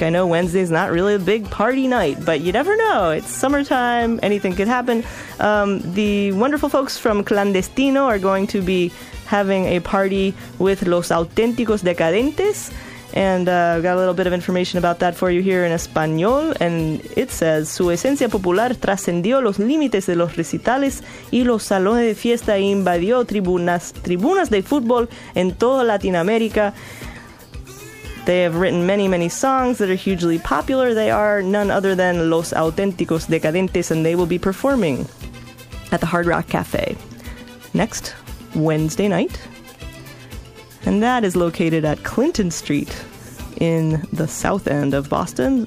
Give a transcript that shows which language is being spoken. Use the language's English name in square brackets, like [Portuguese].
[English] I know Wednesday's not really a big party night, but you never know. It's summertime. Anything could happen. The wonderful folks from Clandestino are going to be having a party with Los Auténticos Decadentes. And I've got a little bit of information about that for you here in Español. And it says, [Spanish] su esencia popular trascendió los límites de los recitales y los salones de fiesta e invadió tribunas de fútbol en toda Latinoamérica. [English] They have written many, many songs that are hugely popular. They are none other than Los Auténticos Decadentes, and they will be performing at the Hard Rock Cafe next Wednesday night. And that is located at Clinton Street in the south end of Boston.